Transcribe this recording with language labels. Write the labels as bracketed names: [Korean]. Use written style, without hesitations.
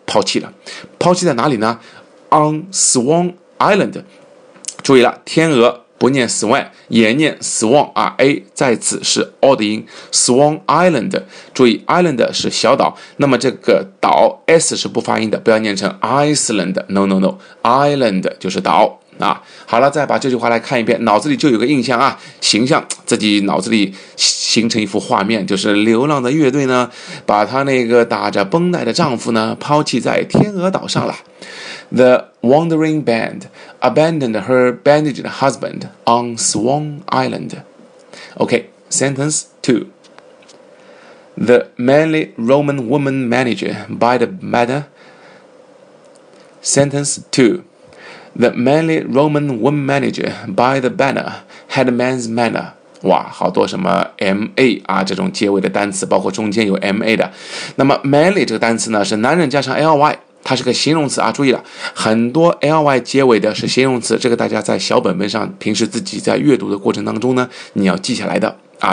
[Chinese] 抛弃了。抛弃在哪里呢？ [English] On Swan Island， [Chinese] 注意了，天鹅不念 swan， 也念 swan 啊， A 再次是 o 的音， swan island， 注意 island 是小岛，那么这个岛 s 是不发音的，不要念成 Iceland， [English] no no no， [Chinese] island 就是岛啊。好了，再把这句话来看一遍，脑子里就有个印象啊，形象自己脑子里形成一幅画面，就是流浪的乐队呢，把他那个打着绷带的丈夫呢抛弃在天鹅岛上了。 [English] The wandering band abandoned her bandaged husband on Swan Island. OK, sentence 2. The manly Roman woman manager by the matter. Sentence 2. The manly Roman woman manager by the banner had a man's manner. [Chinese] 哇，好多什么 MA 啊，这种结尾的单词，包括中间有 MA 的。那么 manly 这个单词呢，是男人加上 ly， 它是个形容词啊。注意了，很多 ly 结尾的是形容词，这个大家在小本本上平时自己在阅读的过程当中呢，你要记下来的啊。